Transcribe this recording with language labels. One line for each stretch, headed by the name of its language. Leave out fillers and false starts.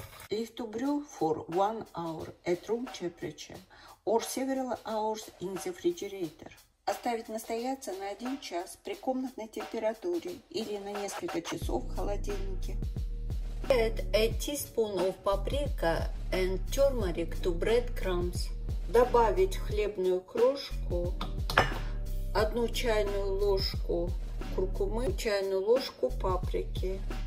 English: Leave to brew for 1 hour at room temperature or several hours in the refrigerator.
Russian: Оставить настояться на 1 час при комнатной температуре или на несколько часов в холодильнике.
English: Add a teaspoon of paprika and turmeric to breadcrumbs.
Russian: Добавить хлебную крошку, 1 чайную ложку куркумы, 1 чайную ложку паприки.